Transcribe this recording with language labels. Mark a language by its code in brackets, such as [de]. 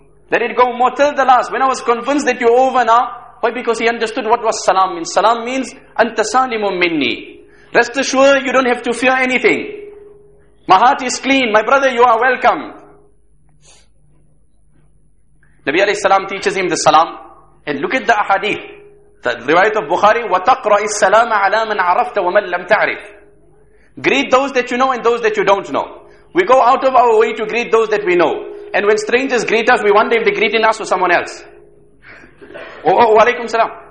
[en] Let it go more till the last. When I was convinced that you're over now, why? Because he understood what was salam means. Salam means, [ar] anta salimun minni. [en] Rest assured, you don't have to fear anything. My heart is clean. My brother, you are welcome. Nabi alayhi salam teaches him the salam. And look at the ahadith. The riwayat of Bukhari, [ar] وَتَقْرَئِ السَّلَامَ عَلَى مَنْ عَرَفْتَ وَمَنْ لَمْ تَعْرِفْ. [en] Greet those that you know and those that you don't know. We go out of our way to greet those that we know. And when strangers greet us, we wonder if they're greeting us or someone else. Oh, wa alaikum salam.